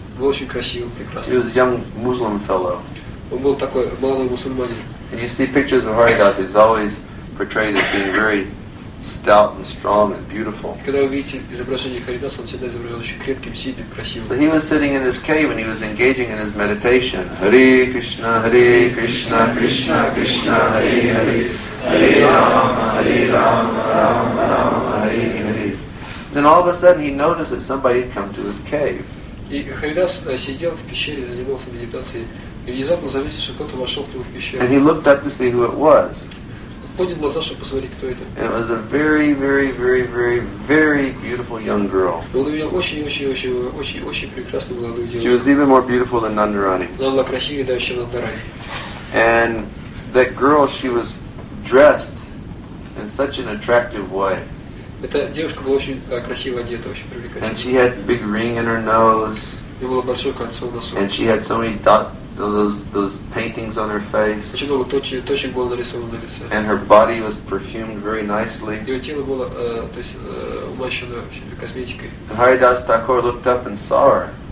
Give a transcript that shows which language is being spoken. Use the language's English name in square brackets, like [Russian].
[English] He was a young Muslim fellow. And you see pictures of Haridas, he's always portrayed as being very stout and strong and beautiful. [Russian] Когда вы видите изображение Харидаса, он всегда изображен очень крепким, сильным, красивым. [English] So he was sitting in his cave and he was engaging in his meditation. [Sanskrit] Hare Krishna, Hare Krishna, Krishna Krishna, Hare Hare, Hare Rama, Hare Rama, Rama Rama, Hare Hare. [English] Then all of a sudden he noticed that somebody had come to his cave. [Russian] И Харидас сидел в пещере, занимался медитацией, и внезапно заметил, что кто-то вошел к нему в пещеру. [English] And he looked up to see who it was. [Russian] Он поднял глаза, чтобы посмотреть, кто это. [English] It was a very, very, very, very, very beautiful young girl. [Russian] Он увидел очень прекрасную молодую девушку. [English] She was even more beautiful than Nandarani. [Russian] Она была красивее даже, чем Нандарани. [English] And that girl, she was dressed in such an attractive way. [Russian] Эта девушка была очень красиво одета, очень привлекательная. [English] And she had a big ring in her nose. [Russian] У нее было большое кольцо в носу. [English] And she had so many dots, those paintings on her face. [Russian] Очень много точек было нарисовано на лице. [English] And her body was perfumed very nicely. [Russian] Ее тело было, то есть, умащено всякой косметикой. [English] And Haridas Thakur looked up and saw her.